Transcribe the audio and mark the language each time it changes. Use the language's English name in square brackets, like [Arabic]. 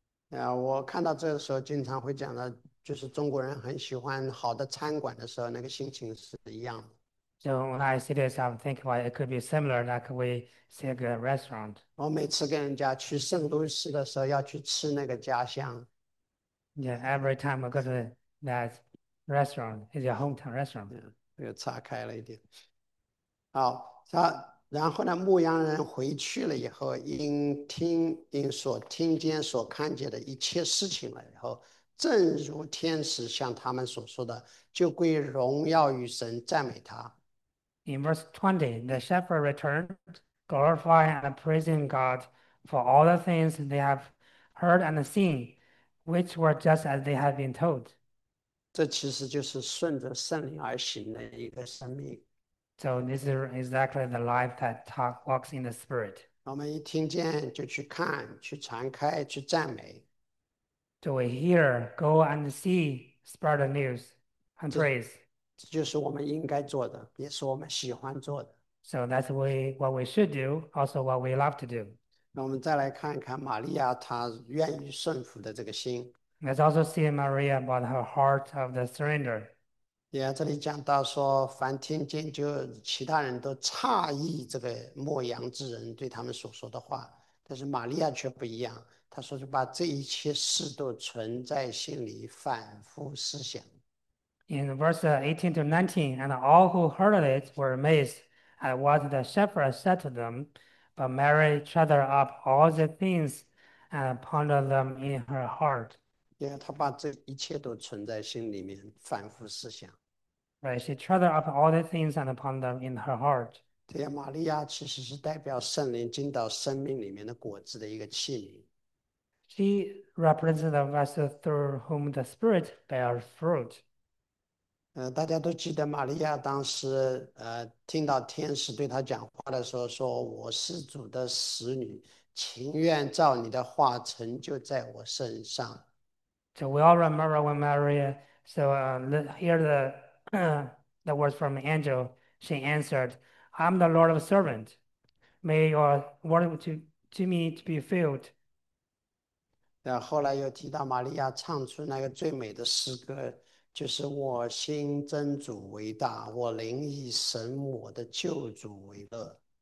[Chinese] 我看到这个时候，经常会讲的，就是中国人很喜欢好的餐馆的时候，那个心情是一样的。 [English] So when I see this, I'm thinking well, it could be similar, like we see a good restaurant. [Chinese] 我每次跟人家去圣路易斯的时候，要去吃那个家乡。 [English] Yeah, every time we go to that restaurant, it's your hometown restaurant. [Chinese] 又岔开了一点。好，然后呢？牧羊人回去了以后，因所听见、所看见的一切事情了以后，正如天使向他们所说的，就归荣耀与神，赞美他。 [English] In verse 20, the shepherd returned, glorifying and praising God for all the things they have heard and seen, which were just as they had been told. [Chinese] 这其实就是顺着圣灵而行的一个生命。 [English] So this is exactly the life that walks in the spirit. [Chinese] 我们一听见就去看，去传开，去赞美。 [English] Do we hear, go and see, spread the news and praise. [Chinese] 这就是我们应该做的，也是我们喜欢做的。 [English] So that's what we should do, also what we love to do. [Chinese] 那我们再来看一看玛利亚她愿意顺服的这个心。 [English] Let's also see Maria about her heart of the surrender. [Chinese] 也这里讲到说，凡听见就其他人都诧异这个牧羊之人对他们所说的话，但是玛利亚却不一样，她说就把这一切事都存在心里，反复思想。 [English] In verse 18 to 19, and all who heard it were amazed at what the shepherd said to them. But Mary treasured up all the things and pondered them in her heart. [Chinese] 因为他把这一切都存在心里面，反复思想。 [English] Right, she treasured up all the things and pondered them in her heart. [Chinese] 对呀，玛利亚其实是代表圣灵进到生命里面的果子的一个器皿。 [English] She represents the vessel through whom the Spirit bears fruit. [Chinese] 大家都记得玛利亚当时听到天使对她讲话的时候说：“我是主的使女，情愿照你的话成就在我身上。 ” [English] So we all remember when Mary, hear the words from the angel. She answered, "I'm the Lord of servants. May your word to me to be filled." [Chinese] 然后来又提到玛利亚唱出那个最美的诗歌，就是“我心尊主为大，我灵以神我的救主为乐。